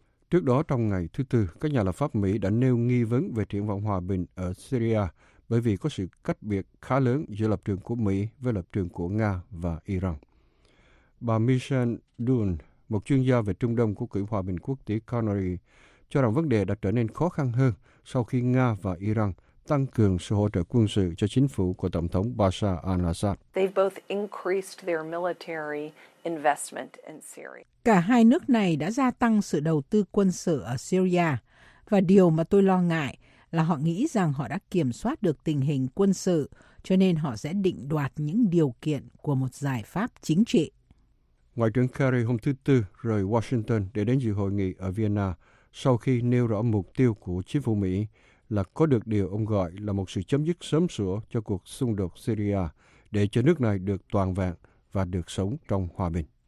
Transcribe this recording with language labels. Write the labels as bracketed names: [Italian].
[Vietnamese] Trước đó, trong ngày thứ Tư, các nhà lập pháp Mỹ đã nêu nghi vấn về triển vọng hòa bình ở Syria bởi vì có sự cách biệt khá lớn giữa lập trường của Mỹ với lập trường của Nga và Iran. Bà Michelle Dunn, một chuyên gia về Trung Đông của Quỹ Hòa bình Quốc tế Carnegie, cho rằng vấn đề đã trở nên khó khăn hơn sau khi Nga và Iran tăng cường sự hỗ trợ quân sự cho chính phủ của Tổng thống Bashar al-Assad. [English] They've both increased their military investment in Syria. [Vietnamese] Cả hai nước này đã gia tăng sự đầu tư quân sự ở Syria. Và điều mà tôi lo ngại là họ nghĩ rằng họ đã kiểm soát được tình hình quân sự, cho nên họ sẽ định đoạt những điều kiện của một giải pháp chính trị. Ngoại trưởng Kerry hôm thứ Tư rời Washington để đến dự hội nghị ở Vienna sau khi nêu rõ mục tiêu của chính phủ Mỹ là có được điều ông gọi là một sự chấm dứt sớm sủa cho cuộc xung đột Syria để cho nước này được toàn vẹn và được sống trong hòa bình.